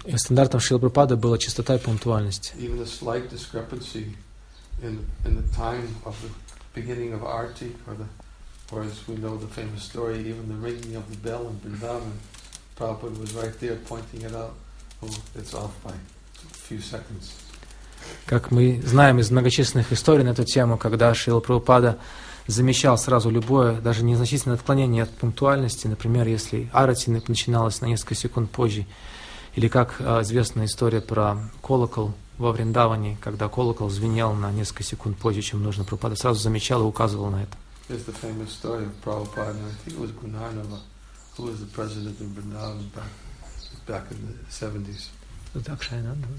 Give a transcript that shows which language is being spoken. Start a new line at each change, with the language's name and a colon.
Russian: И стандартом Шрилы Прабхупады была чистота и пунктуальность.
English: Even a slight discrepancy in the time of the beginning of arti, or as we know the famous story, even the ringing of the bell in Vrindavan, Prabhupada was right there pointing it out. Oh, it's off by a few seconds.
Russian: Как мы знаем из многочисленных историй на эту тему, когда Шрила Прабхупада замечал сразу любое, даже незначительное отклонение от пунктуальности, например, если арати начиналась на несколько секунд позже, или как известная история про колокол во Вриндаване, когда колокол звенел на несколько секунд позже, чем нужно, Прабхупада сразу замечал и указывал на это.
English: Here's the famous story of Prabhupada, I think it was Gunanava, who was the president of Vrindavan back in the 70s.